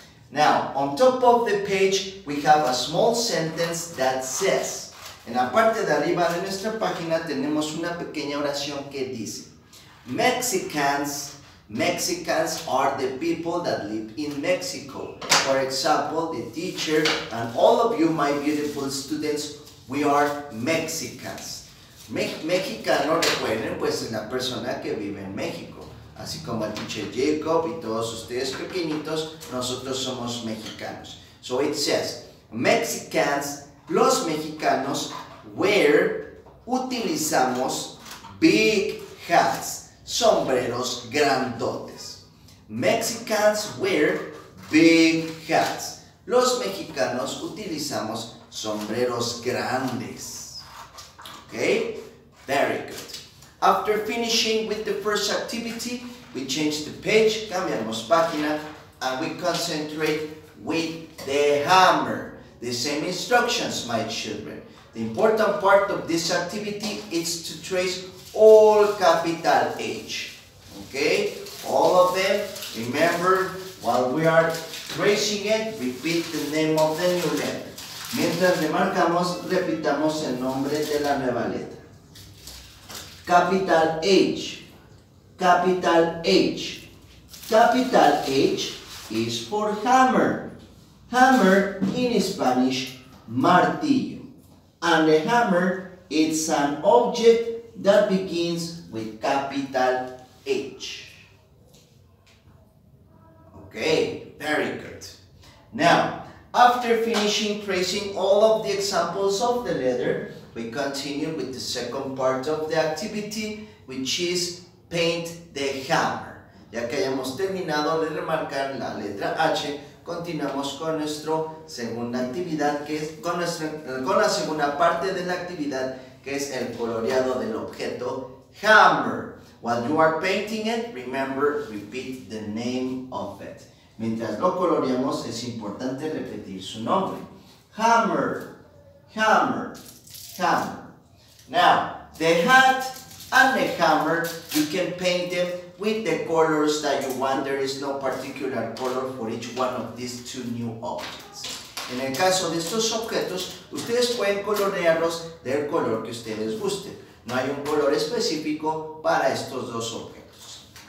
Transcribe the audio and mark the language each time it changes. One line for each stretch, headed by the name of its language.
English: Now, on top of the page, we have a small sentence that says,
Spanish: en la parte de arriba de nuestra página tenemos una pequeña oración que dice,
English: Mexicans are the people that live in Mexico. For example, the teacher and all of you, my beautiful students, we are Mexicans.
Spanish: Mexicano, recuerden, pues es la persona que vive en México. Así como el teacher Jacob y todos ustedes pequeñitos, nosotros somos mexicanos.
English: So it says, Mexicans,
Spanish: los mexicanos,
English: wear,
Spanish: utilizamos
English: big hats.
Spanish: Sombreros grandotes.
English: Mexicans wear big hats.
Spanish: Los mexicanos utilizamos sombreros grandes.
English: Okay? Very good. After finishing with the first activity, we change the page,
Spanish: cambiamos página,
English: and we concentrate with the hammer. The same instructions, my children. The important part of this activity is to trace all capital H, okay? All of them, remember, while we are tracing it, repeat the name of the new letter.
Spanish: Mientras remarcamos, repitamos el nombre de la nueva letra.
English: Capital H, capital H. Capital H is for hammer. Hammer in Spanish, martillo. And a hammer, it's an object that begins with capital H. Okay, very good. Now, after finishing tracing all of the examples of the letter, we continue with the second part of the activity, which is paint the hammer.
Spanish: Ya que hayamos terminado de remarcar la letra H, continuamos con nuestra segunda actividad, que es con la segunda parte de la actividad, que es el coloreado del objeto hammer.
English: While you are painting it, remember, repeat the name of it.
Spanish: Mientras lo coloreamos, es importante repetir su nombre.
English: Hammer, hammer, hammer. Now, the hat and the hammer, you can paint them with the colors that you want. There is no particular color for each one of these two new objects.
Spanish: En el caso de estos objetos, ustedes pueden colorearlos del color que ustedes gusten. No hay un color específico para estos dos objetos.